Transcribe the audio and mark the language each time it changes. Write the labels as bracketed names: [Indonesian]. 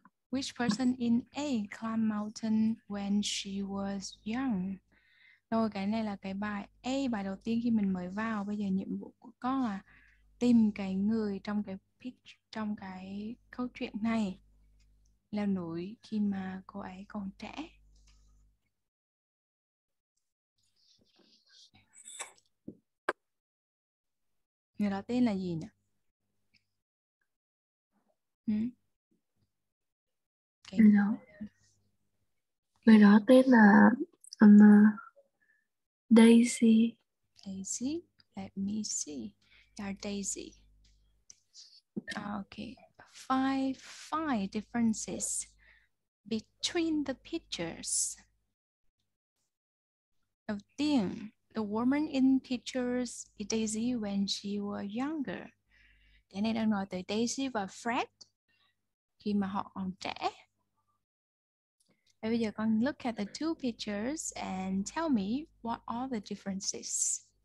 [English] Which person in A climbed mountain when she was young? [Vietnamese] Rồi cái này là cái bài A, bài đầu tiên khi mình mới vào. Bây giờ nhiệm vụ của con là tìm cái người trong cái pitch, trong cái câu chuyện này leo núi khi mà cô ấy còn trẻ. Người đó tên là gì nhỉ? Okay. Người đó. Người đó tên là Daisy. [English] Daisy, let me see. You're Daisy. Okay. Five differences between the pictures. [Vietnamese] Đầu tiên, [English] the woman in pictures is Daisy when she was younger. [Vietnamese] Cái này đang nói tới Daisy và Fred khi mà họ còn trẻ. Bây giờ con [English] look at the two pictures and tell me what are the differences.